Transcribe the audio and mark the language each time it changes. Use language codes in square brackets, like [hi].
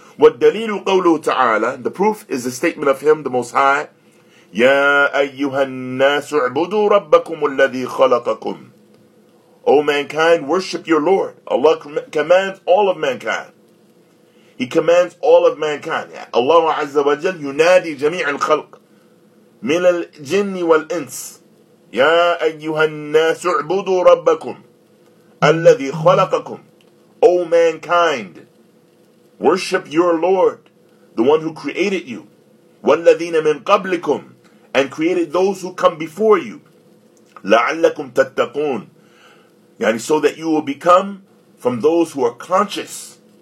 [ar] والدليل قوله تعالى, [en] the proof is the statement of him, the Most High, [ar] يا أيها الناس اعبدوا ربكم الذي خلقكم. [en] O mankind, worship your Lord. Allah commands all of mankind. He commands all of mankind. [ar] Allah عز وجل ينادي جميع الخلق من الجن والإنس. يا أيها الناس اعبدوا ربكم الذي خلقكم. [en] O mankind, worship your Lord, the one who created you. [ar] والذين من قبلكم, [en] and created those who come before you. [ar] لَعَلَّكُمْ تَتَّقُونَ. يعني [en] so that you will become from those who are conscious.